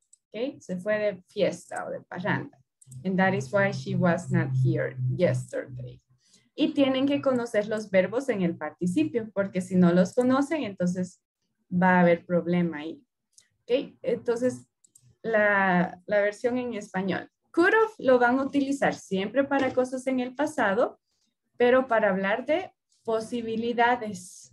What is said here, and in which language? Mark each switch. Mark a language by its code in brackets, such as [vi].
[es] Okay, se fue de fiesta o de parranda. [en] And that is why she was not here yesterday. [es] Y tienen que conocer los verbos en el participio, porque si no los conocen, entonces va a haber problema ahí. Okay, entonces la versión en español. Could have lo van a utilizar siempre para cosas en el pasado, pero para hablar de posibilidades.